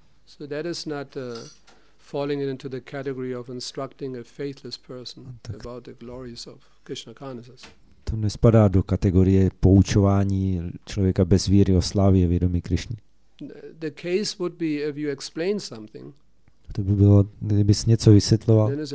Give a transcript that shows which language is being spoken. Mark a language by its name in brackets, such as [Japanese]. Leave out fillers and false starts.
[English] So that is not falling into the category of instructing a faithless person about the glories of Krishna consciousness. [Czech] To nespadá do kategorie poučování člověka bez víry o slávě vědomí Krišny. [English] The case would be if you explain something. [Czech] To by bylo, kdybys něco vysvětloval.